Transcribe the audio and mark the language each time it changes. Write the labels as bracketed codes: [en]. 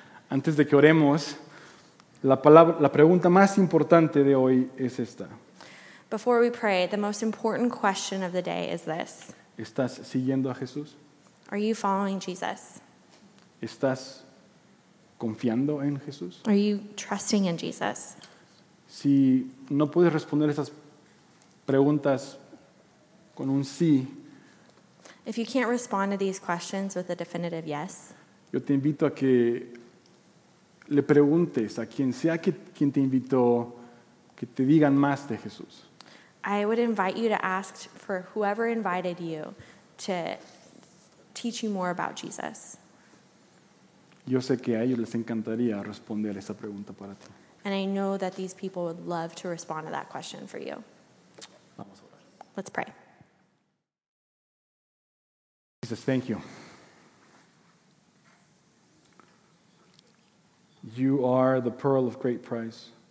[es] Antes de que oremos, la pregunta más importante de hoy es esta. [en] Before we pray, the most important question of the day is this. [es] ¿Estás siguiendo a Jesús? [en] Are you following Jesus? [es] ¿Estás confiando en Jesús? [en] Are you trusting in Jesus? [es] Si no puedes responder esas preguntas con un sí, [en] if you can't respond to these questions with a definitive yes, [es] yo te invito a que le preguntes a quien sea quien te invitó que te digan más de Jesús. [en] I would invite you to ask for whoever invited you to teach you more about Jesus. [es] Yo sé que a ellos les encantaría responder esa pregunta para ti. [en] And I know that these people would love to respond to that question for you. [es] Vamos a orar. [en] Let's pray. Jesus, thank you. You are the pearl of great price.